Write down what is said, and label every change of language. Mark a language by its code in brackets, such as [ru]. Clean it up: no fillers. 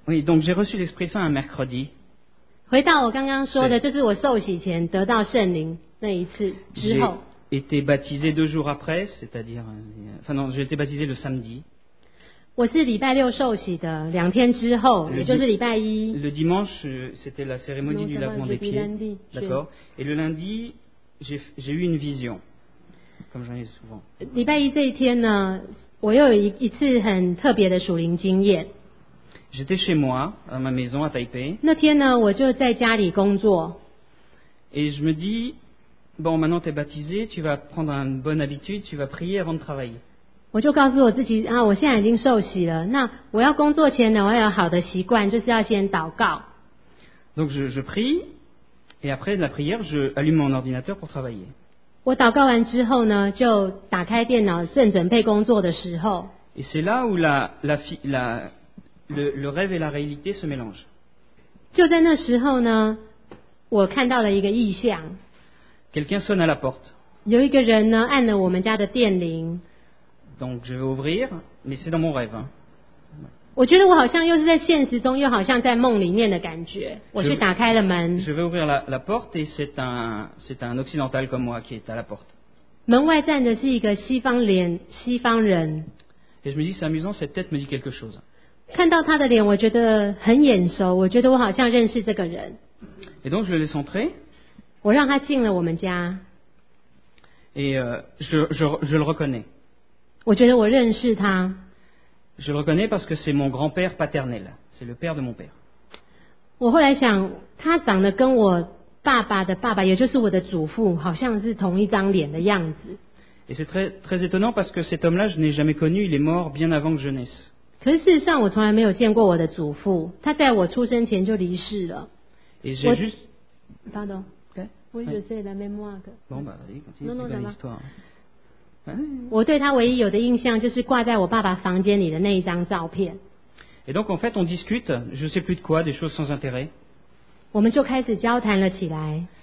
[fr] Oui, donc j'ai reçu l'Esprit Saint un mercredi. [zh] 回到我刚刚说的, 就是我受洗前得到圣灵那一次之后, [fr] j'ai été baptisé deux jours après, c'est-à-dire, enfin non, j'ai été baptisé le samedi. [zh] 我是礼拜六受洗的, 两天之后, [fr] le, [zh] 也就是礼拜一, [fr] le dimanche, c'était la cérémonie du lavement des pieds. Lundi, d'accord. Et le lundi, j'ai eu une vision, comme j'en ai souvent. [zh] 礼拜一这一天呢, 我又有一次很特别的属灵经验。 [fr] J'étais chez moi, à ma maison à Taipei. [zh] 那天呢, 我就在家里工作。 [fr] Et je me dis, bon, maintenant tu es baptisé, tu vas prendre une bonne habitude, tu vas prier avant de travailler. [zh] 我就告诉我自己, 啊, 我现在已经受洗了, 那我要工作前呢, 我要有好的习惯, 就是要先祷告。 [fr] Donc je prie, et après la prière, je allume mon ordinateur pour travailler. [zh] 我祷告完之后呢, 就打开电脑, 正准备工作的时候。 [fr] Et c'est là où le rêve et la réalité se mélangent. [zh] 就在那时候呢, 我看到了一个异象。 [fr] Quelqu'un sonne à la porte. [zh] 有一个人呢, 按了我们家的电铃。 [fr] Donc je vais ouvrir, mais c'est dans mon rêve. [zh] 我觉得我好像又是在现实中, 又好像在梦里面的感觉。我去打开了门。 [fr] Je vais ouvrir la porte et c'est un occidental comme moi qui est à la porte. [zh] 门外站的是一个西方脸, 西方人。 [fr] Et je me dis, c'est amusant, cette tête me dit quelque chose. [zh] 看到他的脸, 我觉得很眼熟, 我觉得我好像认识这个人。 [fr] Et donc je le laisse entrer. [zh] 我让他进了我们家。 [fr] Et je le reconnais. [zh] 我觉得我认识他。 [fr] Je le reconnais parce que c'est mon grand-père paternel. C'est le père de mon père. [zh] 我后来想, 他长得跟我爸爸的爸爸, 也就是我的祖父, 好像是同一张脸的样子。 [fr] Et c'est très, très étonnant parce que cet homme-là, je n'ai jamais connu, il est mort bien avant que je naisse. 可是事实上我从来没有见过我的祖父, 他在我出生前就离世了。 Et j'ai juste... Pardon. [en] Okay? [fr] Oui, je sais, la mémoire. Que... Bon, bah, allez, continue, c'est une histoire. Hein? [zh] 我对他唯一有的印象, 就是挂在我爸爸房间里的那一张照片。 [fr] Et donc, en fait, on discute, je ne sais plus de quoi, des choses sans intérêt. [zh] 我们就开始交谈了起来。